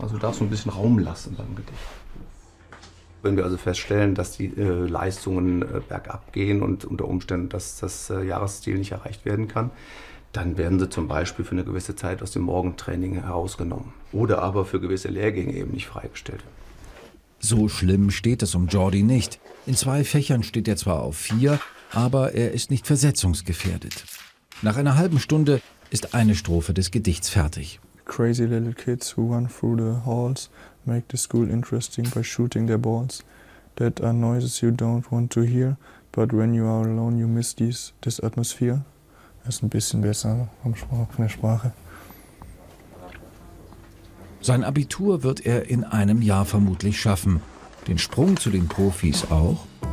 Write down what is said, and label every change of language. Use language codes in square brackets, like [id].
[de] Also darfst du ein bisschen Raum lassen beim Gedicht. Wenn wir also feststellen, dass die Leistungen bergab gehen und unter Umständen, dass das Jahresziel nicht erreicht werden kann, dann werden sie zum Beispiel für eine gewisse Zeit aus dem Morgentraining herausgenommen oder aber für gewisse Lehrgänge eben nicht freigestellt. So schlimm steht es um Jordi nicht. In zwei Fächern steht er zwar auf 4, aber er ist nicht versetzungsgefährdet. Nach einer halben Stunde ist eine Strophe des Gedichts fertig. [en] Crazy little kids who run through the halls make the school interesting by shooting their balls. That are noises you don't want to hear, but when you are alone you miss this atmosphere. [de] Das ist ein bisschen besser von der Sprache. Sein Abitur wird er in einem Jahr vermutlich schaffen. Den Sprung zu den Profis auch.